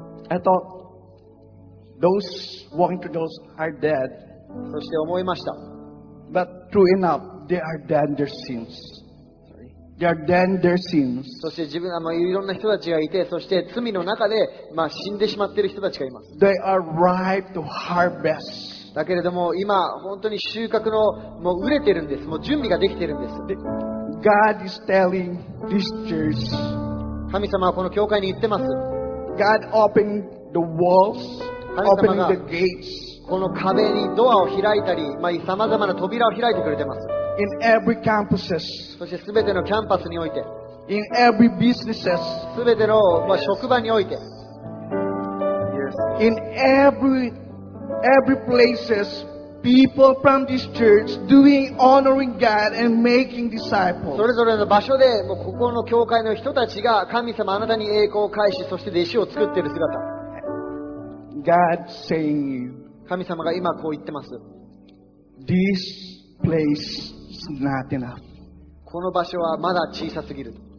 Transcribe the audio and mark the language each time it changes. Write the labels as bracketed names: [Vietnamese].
[English] I thought those walking through those are dead. [Japanese] そして思いました。 [English] But true enough, they are dead in their sins. Sorry. than their sins. [Japanese] そして自分あのいろんな人たちがいて、そして罪の中で、まあ、死んでしまっている人たちがいます。 [English] They are ripe to harvest. [Japanese] だけれども今本当に収穫のもう売れてるんです。もう準備ができてるんです。 [English] God is telling this church. [Japanese] 神様はこの教会に言ってます。 [English] God opening the walls, opening the gates. [Japanese] この壁にドアを開いたり、まあ、様々な扉を開いてくれてます。 [English] In every campuses, [Japanese] そして全てのキャンパスにおいて、 [English] in every businesses, [Japanese] 全ての、まあ、職場において、 [English] yes. in every places, people from this church doing honoring God and making disciples. [Japanese] それぞれの場所で、もうここの教会の人たちが神様あなたに栄光を返し、そして弟子を作っている姿。 [English] God saying you, [Japanese] 神様が今こう言ってます。 [English] This place. Not enough. [Japanese] この場所はまだ小さすぎる。